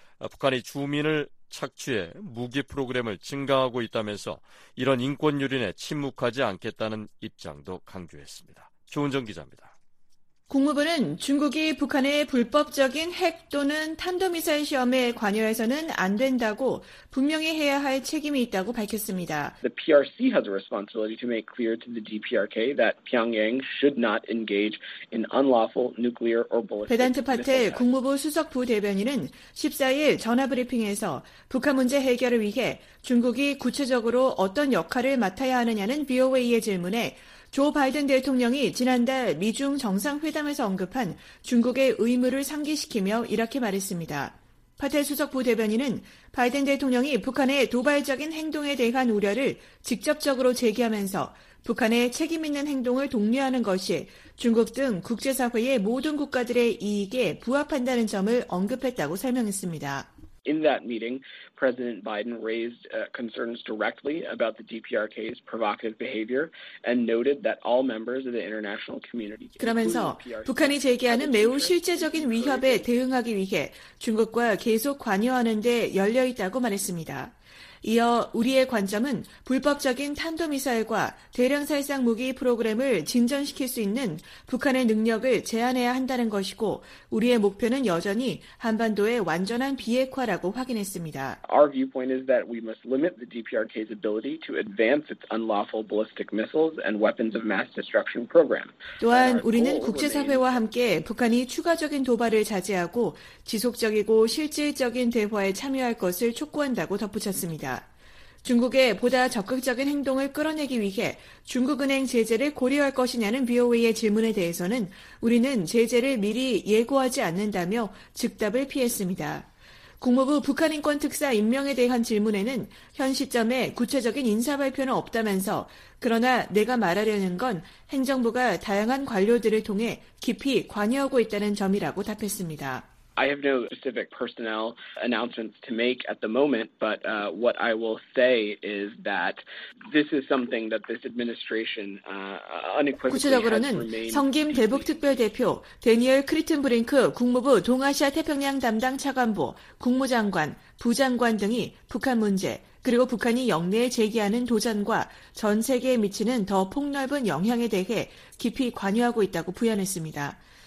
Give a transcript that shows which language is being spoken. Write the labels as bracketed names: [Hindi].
[Korean] 북한이 주민을 착취해 무기 프로그램을 증강하고 있다면서 이런 인권유린에 침묵하지 않겠다는 입장도 강조했습니다. 조은정 기자입니다. 국무부는 중국이 북한의 불법적인 핵 또는 탄도미사일 시험에 관여해서는 안 된다고 분명히 해야 할 책임이 있다고 밝혔습니다. [English] The PRC has a responsibility to make clear to the DPRK that Pyongyang should not engage in unlawful nuclear or ballistic. [Korean] 베단트 파테 국무부 수석 부대변인은 14일 전화 브리핑에서 북한 문제 해결을 위해 중국이 구체적으로 어떤 역할을 맡아야 하느냐는 BOA의 질문에 조 바이든 대통령이 지난달 미중 정상회담에서 언급한 중국의 의무를 상기시키며 이렇게 말했습니다. 파테 수석 부대변인은 바이든 대통령이 북한의 도발적인 행동에 대한 우려를 직접적으로 제기하면서 북한의 책임 있는 행동을 독려하는 것이 중국 등 국제사회의 모든 국가들의 이익에 부합한다는 점을 언급했다고 설명했습니다. [English] In that meeting, President Biden raised concerns directly about the DPRK's provocative behavior and noted that all members of the international community. [Korean] 그러면서 북한이 제기하는 매우 실제적인 위협에 대응하기 위해 중국과 계속 관여하는 데 열려 있다고 말했습니다. 이어 우리의 관점은 불법적인 탄도미사일과 대량 살상 무기 프로그램을 진전시킬 수 있는 북한의 능력을 제한해야 한다는 것이고 우리의 목표는 여전히 한반도의 완전한 비핵화라고 확인했습니다. [English] Our viewpoint is that we must limit the DPRK's ability to advance its unlawful ballistic missiles and weapons of mass destruction program. [Korean] 또한 우리는 국제사회와 함께 북한이 추가적인 도발을 자제하고 지속적이고 실질적인 대화에 참여할 것을 촉구한다고 덧붙였습니다. 중국의 보다 적극적인 행동을 끌어내기 위해 중국은행 제재를 고려할 것이냐는 BOA의 질문에 대해서는 우리는 제재를 미리 예고하지 않는다며 즉답을 피했습니다. 국무부 북한인권특사 임명에 대한 질문에는 현 시점에 구체적인 인사 발표는 없다면서 그러나 내가 말하려는 건 행정부가 다양한 관료들을 통해 깊이 관여하고 있다는 점이라고 답했습니다. [English] I have no specific personnel announcements to make at the moment, but what I will say is that this is something that this administration unequivocally. [Korean] 구체적으로는 성김 대북 특별 대표, 대니얼 크리튼브링크 국무부 동아시아 태평양 담당 차관보, 국무장관, 부장관 등이 북한 문제 그리고 북한이 역내에 제기하는 도전과 전 세계에 미치는 더 폭넓은 영향에 대해 깊이 관여하고 있다고 부연했습니다.